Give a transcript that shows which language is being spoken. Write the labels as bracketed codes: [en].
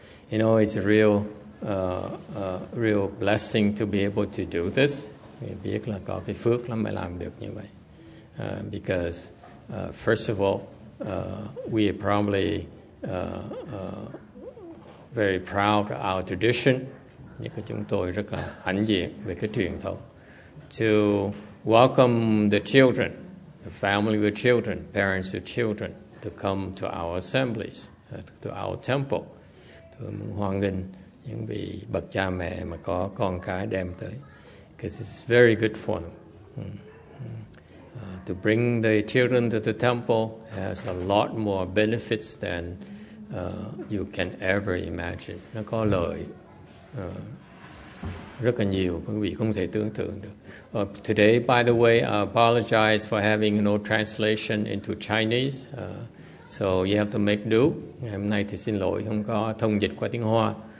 [en] You know, it's a real blessing to be able to do this. [vi] Mình biết là có cái phước lắm mới làm được như vậy. [en] Because first of all, we are probably very proud of our tradition. [vi] Nhất là chúng tôi rất là hãnh diện về cái truyền thống. [en] To welcome the children, the family with children, parents with children, to come to our assemblies, to our temple. [vi] Tôi muốn hoan nghênh những vị bậc cha mẹ mà có con cái đem tới. [en] Because it's very good for them. To bring the children to the temple has a lot more benefits than you can ever imagine. [vi] Nó có lợi rất là nhiều, quý vị không thể tưởng tượng được. [en] Today, by the way, I apologize for having no translation into Chinese. So you have to make do. [vi] Hôm nay thì xin lỗi, không có thông dịch qua tiếng Hoa.